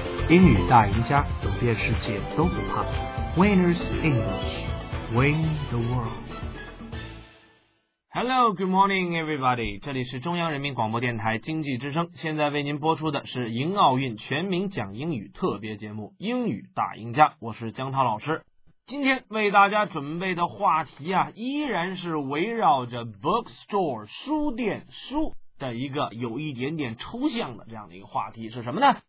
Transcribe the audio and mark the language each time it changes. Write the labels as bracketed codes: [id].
[zh] 英语大赢家，走遍世界都不怕。 [en] Winners English, win the world. Hello, good morning, everybody. [zh] 这里是中央人民广播电台经济之声，现在为您播出的是迎奥运全民讲英语特别节目《英语大赢家》，我是江涛老师。今天为大家准备的话题啊，依然是围绕着 bookstore 书店书的一个有一点点抽象的这样的一个话题，是什么呢？